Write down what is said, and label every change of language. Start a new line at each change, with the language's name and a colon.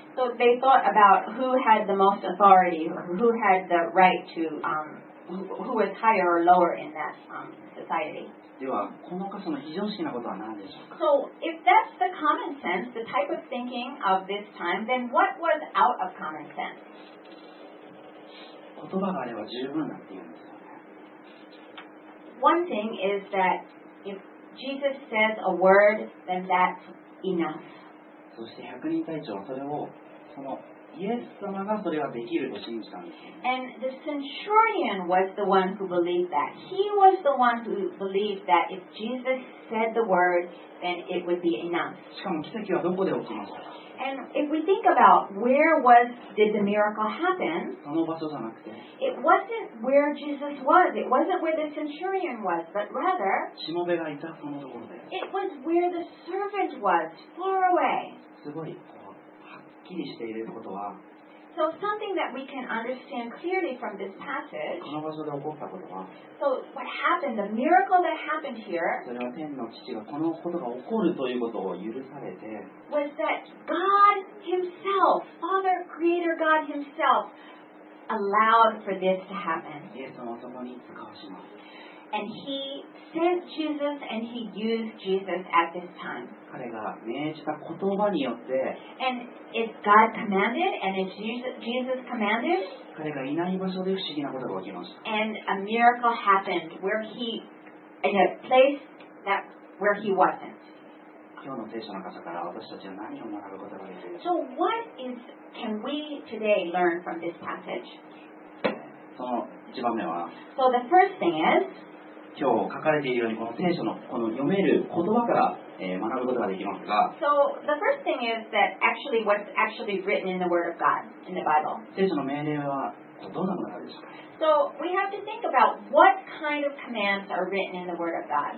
English: So they thought about who had the most authority, who had the right to, who was higher or lower in that society.
Japanese: ではこの箇所の非常識なことは何でしょうか。
English: So if that's the common sense, the type of thinking of this time, then what was out of common sense?
Japanese: 言葉があれば十分だっていうんですよね。
English: One thing is that if Jesus says a word, then that's enough.
Japanese: そして百人隊長はそれをそのイエス様がそれはできると信じたんです。
English: And the centurion was the one who believed that. He was the one who believed that if Jesus said the word, then it would be enough.
Japanese: しかも奇跡はどこで起きましたか。
English: And if we think about where was did the miracle happen,
Japanese: その場所じゃなくて、
English: it wasn't where Jesus was, it wasn't where the centurion was, but rather,
Japanese: しもべがいたそのところで、
English: it was where the servant was, far away.
Japanese: すごいこうはっきりしていることは、
English: so something that we can understand clearly from this passage,
Japanese: この場所で起こったことは、
English: so what happened, the miracle that happened here,
Japanese: それは天の父がこのことが起こるということを許されて、
English: was that God himself, Father, Creator God himself, allowed for this to happen.
Japanese: イエス様はそこに使わします。
English: And he sent Jesus and he used Jesus at this time.
Japanese: 彼が命じた言葉によって、
English: And if God commanded and if Jesus commanded,
Japanese: 彼がいない場所で不思議なことが起きました。
English: And a miracle happened where he, in a place that, where he wasn't.
Japanese: 今日の聖書の箇所から私たちは何を学ぶことができるか。
English: So what is, can we today learn from this passage?
Japanese: その一番目は、
English: So the first thing is,
Japanese: 今日書かれているようにこの聖書のこの読める言葉から学ぶことができますが、
English: So the first thing is that actually what's actually written in the Word of God, in the Bible.
Japanese: 聖書の命令はどんなものなんでしょうか。
English: So we have to think about what kind of commands are written in the Word of God.